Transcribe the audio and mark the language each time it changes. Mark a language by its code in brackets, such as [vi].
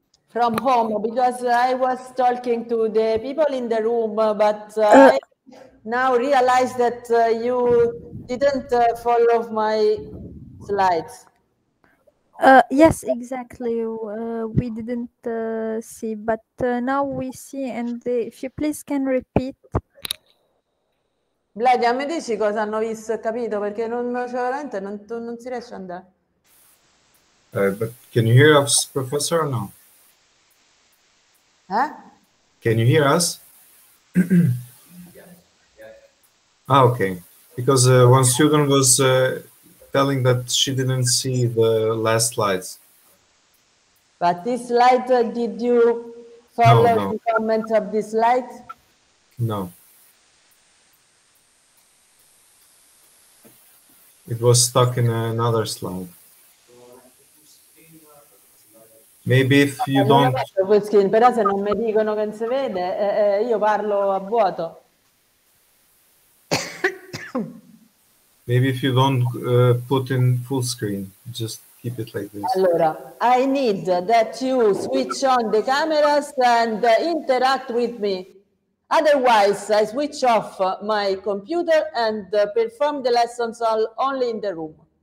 [en] From home, because I was talking to the people in the room, but I now realize that you didn't follow my slides. Yes, exactly. We didn't see, but now we see, and if you please can repeat. [it] Vladia, mi dici cosa hanno visto, capito? Perché non c'è veramente, non si riesce ad andare. [en] But can you hear us, professor, or no? Huh? Can you hear us? Yeah. Ah, okay. Because one student was telling that she didn't see the last slides. But this slide, did you follow the comments of this slide? No. It was stuck in another slide. Maybe if you don't. [it] Però se non mi dicono che si vede, io parlo a vuoto. [en] Maybe if you don't put in full screen, just keep it like this. Allora, I need that you switch on the cameras and interact with me. Otherwise, I switch off my computer and perform the lessons all only in the room.